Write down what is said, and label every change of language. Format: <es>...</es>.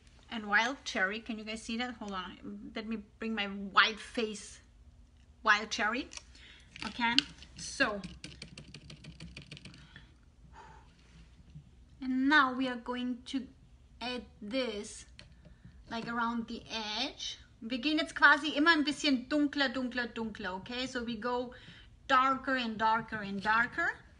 <en>And Wild Cherry, can you guys see that? Hold on, let me bring my white face Wild Cherry. Okay, so. And now we are going to add this like around the edge.</en> <de>Wir gehen jetzt quasi immer ein bisschen dunkler, dunkler, dunkler, okay?</de> <en>So we go darker and darker and darker.</en>